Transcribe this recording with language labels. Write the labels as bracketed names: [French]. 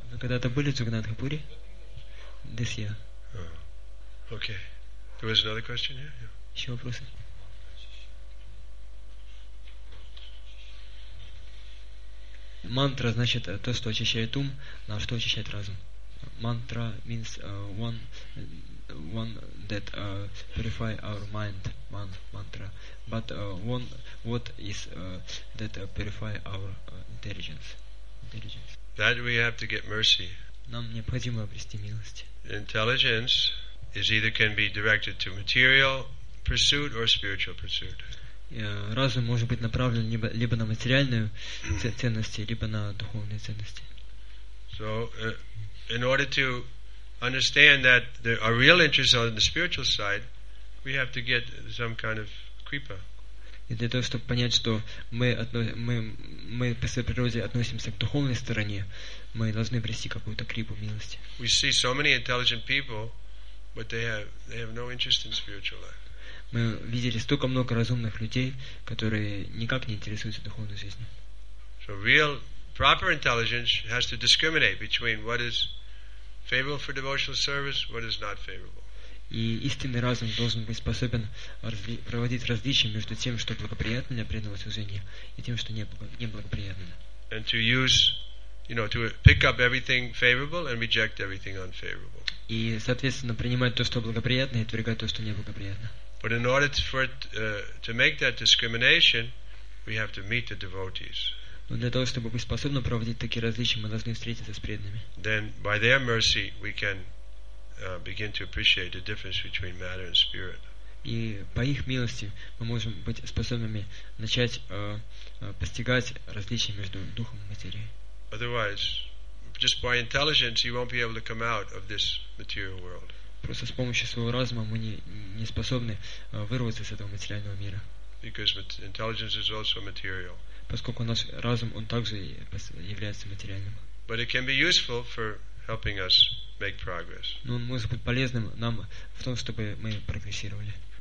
[Russian] Вы когда-то были в Джаганатхапури? [English] This year. Oh. Okay. There was another question here? Yeah. [Russian] Еще вопросы? Мантра значит то, что очищает ум, на что очищает разум. [English] Mantra means one that purify our mind, one mantra. But one what is that purify our intelligence? That we have to get mercy. [Russian] Нам необходимо обрести милость. [English] Intelligence is either can be directed to material pursuit or spiritual pursuit. [Russian] Разум может быть направлен либо на материальные ценности, либо на духовные ценности. [English] So in order to understand that there are real interests on the spiritual side, we have to get some kind of kripa. [Russian] И для того, чтобы понять, что мы по своей природе относимся к духовной стороне, мы должны обрести какую-то крипу милости. [English] We see so many intelligent people, but they have no interest in spiritual life. [Russian] Мы видели столько много разумных людей, которые никак не интересуются духовной жизнью. [English] So real proper intelligence has to discriminate between what is favorable for devotional service, what is not favorable. [Russian] И истинный разум должен быть способен проводить различие между тем, что благоприятно для преданного служения, и тем, что неблагоприятно. [English] And to use, you know, to pick up everything favorable and reject everything unfavorable. [Russian] И, соответственно, принимать то, что благоприятно, и отвергать то, что неблагоприятно. [English] But in order to make that discrimination, we have to meet the devotees. [Russian] Но для того, чтобы быть способны проводить такие различия, мы должны встретиться с преданными. [English] Then by their mercy we can begin to appreciate the difference between matter and spirit. [Russian] И по их милости мы можем быть способными начать постигать различия между духом и материей. [English] Otherwise, just by intelligence, you won't be able to come out of this material world. [Russian] Просто с помощью своего разума мы не способны вырваться из этого материального мира. [English] Because intelligence is also material. [Russian] Поскольку наш разум, он также является материальным. [English] But it can be useful for helping us make progress. [Russian] Но он может быть полезным нам в том, чтобы мы прогрессировали.